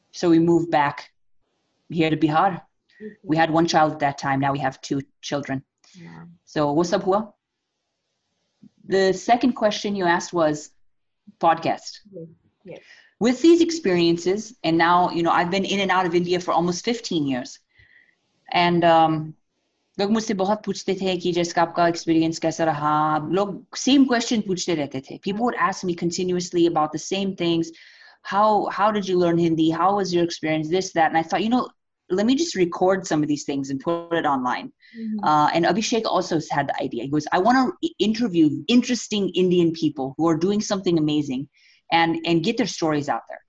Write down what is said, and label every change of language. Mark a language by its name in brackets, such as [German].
[English] So we moved back here to Bihar. Mm-hmm. We had one child at that time. Now we have two children. Yeah. So what's up, Hua? The second question you asked was podcast. Yes. Yes. With these experiences, and now, you know, I've been in and out of India for almost 15 years. And [Hindi] लोग मुझसे बहुत पूछते थे कि Jessica आपका experience कैसा रहा. लोग [English] same question [Hindi] पूछते रहते थे. [English] People would ask me continuously about the same things. How did you learn Hindi? How was your experience? This, that. And I thought, you know, let me just record some of these things and put it online. Mm-hmm. And Abhishek also had the idea. He goes, I want to interview interesting Indian people who are doing something amazing and get their stories out there.